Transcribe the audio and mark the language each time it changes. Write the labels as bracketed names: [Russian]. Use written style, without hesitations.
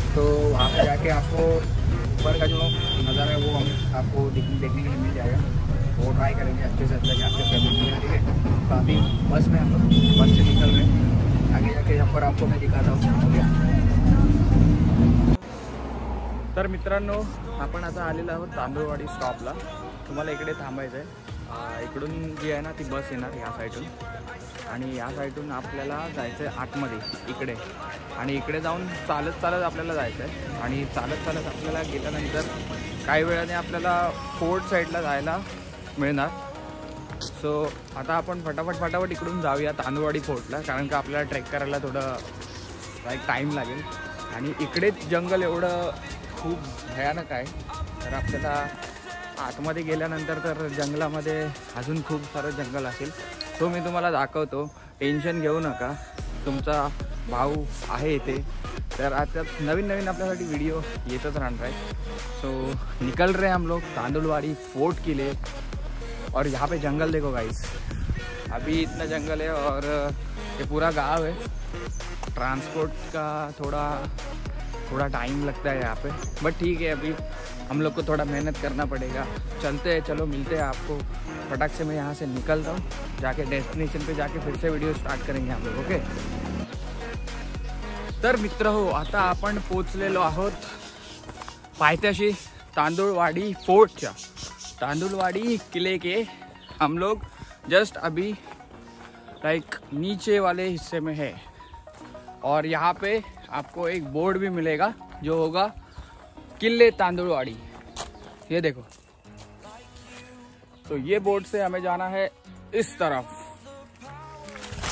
[Hindi] तो वहाँ पर जाके आपको ऊपर का जो नज़ारा है वो हम आपको देखने के लिए मिल जाएगा, वो ट्राई करेंगे अच्छे से अच्छा जाके फैमिली में। ठीक है, तो अभी बस में हम लोग बस से निकल रहे हैं, आगे जाके यहाँ पर आपको मैं दिखाता हूँ। [Marathi] तर मित्रांनो, आपण आता आलेलो आहोत तांदुळवाडी स्टॉपला, तुम्हाला इकडे थांबायचं आहे। इकडून जी आहे ना ती बस येणार ह्या साईडून, आणि ह्या साईडून आपल्याला जायचं आहे आतमध्ये इकडे, आणि इकडे जाऊन चालत चालत आपल्याला जायचं आहे, आणि चालत चालत आपल्याला गेल्यानंतर काही वेळाने आपल्याला फोर्ट साईडला जायला मिळणार। सो आता आपण फटाफट इकडून जाऊया तांदुळवाडी फोर्टला, कारण का आपल्याला ट्रेक करायला थोडं लाईक टाईम लागेल, आणि इकडे जंगल एवढं खूप भयानक आहे, तर आपल्याला आतमध्ये गेल्यानंतर तर जंगलामध्ये अजून खूप सारं जंगल असेल। सो मी तुम्हाला दाखवतो, टेन्शन घेऊ नका। तुमचा भाऊ आहे इथे, तर आता नवीन नवीन आपल्यासाठी व्हिडिओ येतच राहणार आहे. [Hindi] सो निकल रहे हम लोग तांदुळवाडी फोर्ट के लिए. और यहाँ पे जंगल देखो गाइस, अभी इतना जंगल है और ये पूरा गांव है. ट्रांसपोर्ट का थोड़ा टाइम लगता है यहाँ पे, बट ठीक है, अभी हम लोग को थोड़ा मेहनत करना पड़ेगा. चलते हैं, चलो मिलते हैं आपको. फटाक से मैं यहाँ से निकलता हूँ, जाके डेस्टिनेशन पे जाके फिर से वीडियो स्टार्ट करेंगे हम लोग. [Marathi] ओके, तर मित्र हो, आता आपण पोचलेलो आहोत पायथ्याशी तांदुळवाडी फोर्टच्या, [Hindi] तांदुळवाडी किले के. हम लोग जस्ट अभी लाइक नीचे वाले हिस्से में है, और यहाँ पे आपको एक बोर्ड भी मिलेगा जो होगा किले तांदुळवाडी, ये देखो. तो ये बोर्ड से हमें जाना है इस तरफ.